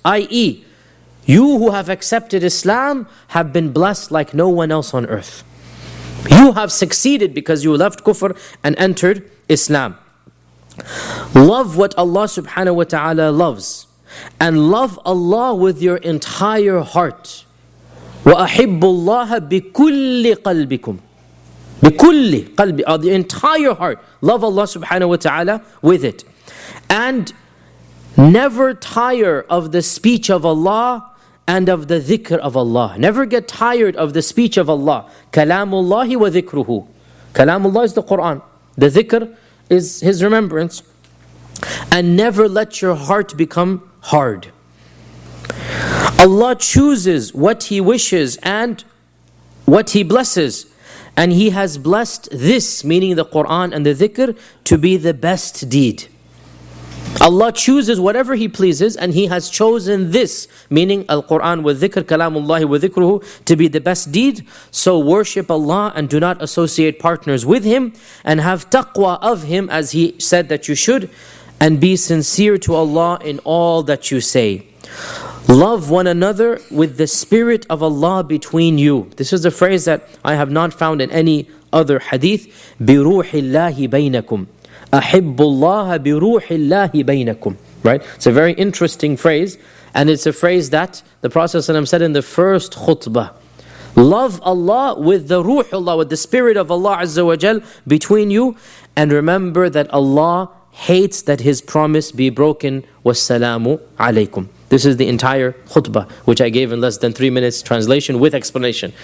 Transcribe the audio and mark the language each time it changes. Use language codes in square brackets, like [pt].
[en] I.e., you who have accepted Islam have been blessed like no one else on earth. You have succeeded because you left kufr and entered Islam. Love what Allah subhanahu wa ta'ala loves. And love Allah with your entire heart. [ar] وَأَحِبُّ اللَّهَ بِكُلِّ قَلْبِكُمْ بِكُلِّ قَلْبِ [en] The entire heart. Love Allah subhanahu wa ta'ala with it. And never tire of the speech of Allah and of the dhikr of Allah. Never get tired of the speech of Allah. [ar] كَلَامُ اللَّهِ وَذِكْرُهُ كَلَامُ اللَّهِ [en] is the Qur'an. The dhikr is His remembrance. And never let your heart become hard. Allah chooses what He wishes and what He blesses. And He has blessed this, meaning the Qur'an and the dhikr, to be the best deed. Allah chooses whatever He pleases, and He has chosen this, meaning Al-Qur'an with dhikr, kalamullahi with dhikruhu, to be the best deed. So worship Allah and do not associate partners with Him, and have taqwa of Him as He said that you should, and be sincere to Allah in all that you say. Love one another with the spirit of Allah between you. This is a phrase that I have not found in any other hadith. [ar] بِرُوحِ اللَّهِ بَيْنَكُمْ أَحِبُّ اللَّهَ بِرُوحِ اللَّهِ بَيْنَكُمْ [en] Right? It's a very interesting phrase. And it's a phrase that the Prophet ﷺ said in the first khutbah. Love Allah with the ruh Allah, with the spirit of Allah Azza wa Jal between you. And remember that Allah hates that His promise be broken. [ar] وَالسَّلَامُ عَلَيْكُمْ [en] This is the entire khutbah, which I gave in less than 3 minutes translation with explanation.